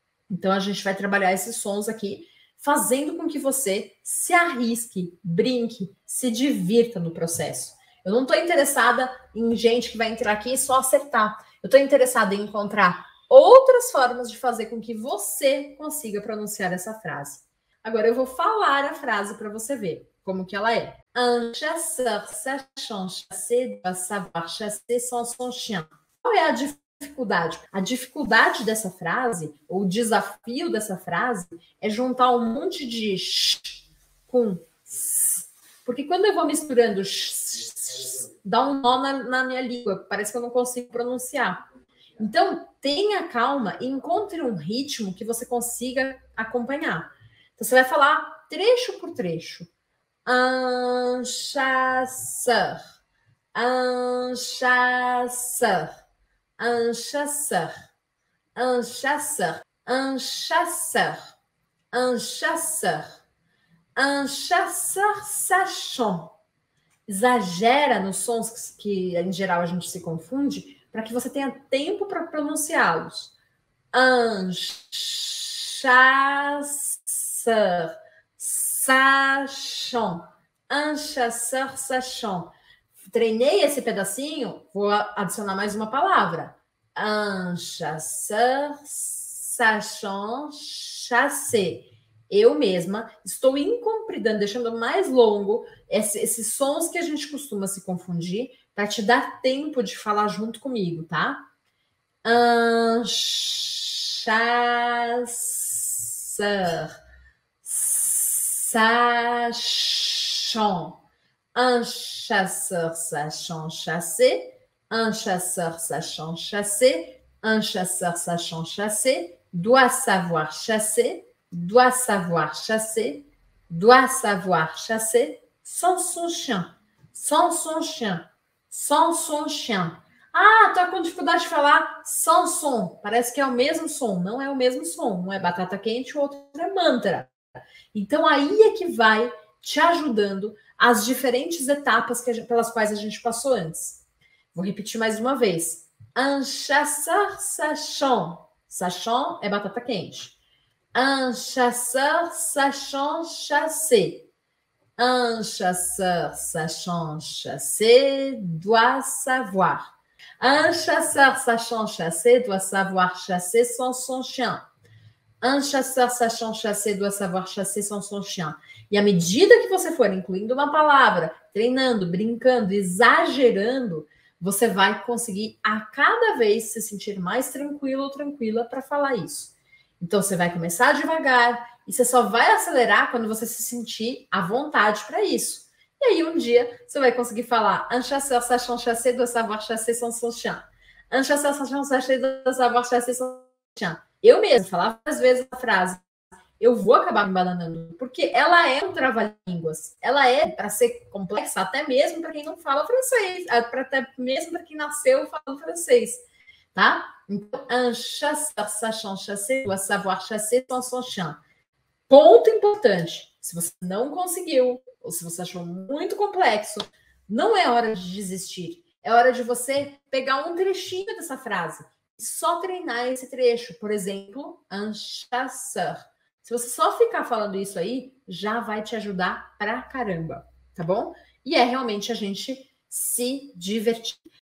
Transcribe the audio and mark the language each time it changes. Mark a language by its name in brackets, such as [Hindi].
[Portuguese] Então a gente vai trabalhar esses sons aqui, fazendo com que você se arrisque, brinque, se divirta no processo. Eu não estou interessada em gente que vai entrar aqui e só acertar. Eu estou interessada em encontrar outras formas de fazer com que você consiga pronunciar essa frase. Agora eu vou falar a frase para você ver como que ela é. [French] Un chasseur sachant chasser doit savoir chasser sans son chien. [Portuguese] Qual é a dificuldade? A dificuldade dessa frase, ou o desafio dessa frase, é juntar um monte de sh com s. Porque quando eu vou misturando sh, dá um nó na minha língua, parece que eu não consigo pronunciar. Então, tenha calma e encontre um ritmo que você consiga acompanhar. Então, você vai falar trecho por trecho. [French] Un chasseur. Un chasseur. Un chasseur, un chasseur, un chasseur, un chasseur, un chasseur sachant. [Portuguese] Exagera nos sons que em geral a gente se confunde para que você tenha tempo para pronunciá-los. [French] Un chasseur, sachant, un chasseur sachant. [Portuguese] Treinei esse pedacinho, vou adicionar mais uma palavra. [French] Un chasseur sachant chasser. [Portuguese] Eu mesma estou encompridando, deixando mais longo esses sons que a gente costuma se confundir, para te dar tempo de falar junto comigo, tá? [French] Un chasseur sachant. Un chasseur sachant chasser. Un chasseur sachant chasser. Un chasseur sachant chasser doit savoir chasser, doit savoir chasser, doit savoir chasser sans son chien, sans son chien, sans son chien. [Portuguese] Ah, tô com dificuldade de falar [French] sans son. [Portuguese] Parece que é o mesmo som. Não é o mesmo som. Um é batata quente, o outro é mantra. Então aí é que vai te ajudando as diferentes etapas pelas quais a gente passou antes. Vou repetir mais uma vez. [French] Un chasseur sachant. [Portuguese] Sachant é batata quente. [French] Un chasseur sachant chasser. Un chasseur sachant chasser doit savoir. Un chasseur sachant chasser doit savoir chasser sans son chien. Un chasseur sachant chasser doit savoir chasser sans son chien. [Portuguese] E à medida que você for incluindo uma palavra, treinando, brincando, exagerando, você vai conseguir a cada vez se sentir mais tranquilo ou tranquila para falar isso. Então, você vai começar devagar e você só vai acelerar quando você se sentir à vontade para isso. E aí, um dia, você vai conseguir falar [French] un chasseur sachant chasser doit savoir chasser sans son chien. Un chasseur sachant chasser doit savoir chasser sans son chien. [Portuguese] Eu mesma falava às vezes a frase. Eu vou acabar me bananando, porque ela é um trava-línguas. Ela é, para ser complexa, até mesmo para quem não fala francês, até mesmo para quem nasceu falando francês, tá? Então, [French] un chasseur sachant chasser doit savoir chasser sans son chien. [Portuguese] Ponto importante. Se você não conseguiu, ou se você achou muito complexo, não é hora de desistir. É hora de você pegar um trechinho dessa frase e só treinar esse trecho. Por exemplo, [French] un chasseur. [Portuguese] Se você só ficar falando isso aí, já vai te ajudar pra caramba, tá bom? E é realmente a gente se divertir.